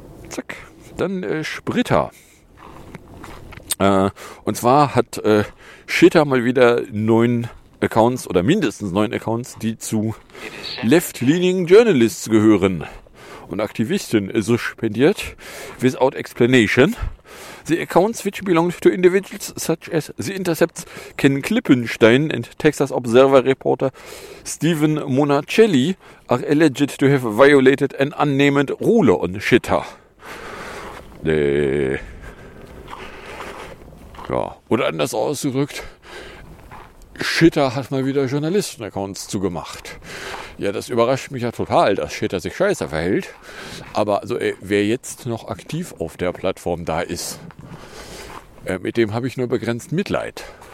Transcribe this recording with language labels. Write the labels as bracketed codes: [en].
[de] Zack. Dann Spritter. Und zwar hat Shitter mal wieder 9 Accounts oder mindestens 9 Accounts, die zu left-leaning Journalists gehören und Aktivisten suspendiert, [en] without explanation. The accounts which belong to individuals such as The Intercept's Ken Klippenstein and Texas Observer reporter Stephen Monacelli are alleged to have violated an unnamed rule on Shitter. [de] Ja, oder anders ausgedrückt, Shitter hat mal wieder Journalisten-Accounts zugemacht. Ja, das überrascht mich ja total, dass Shitter sich scheiße verhält. Aber also, wer jetzt noch aktiv auf der Plattform da ist, mit dem habe ich nur begrenzt Mitleid.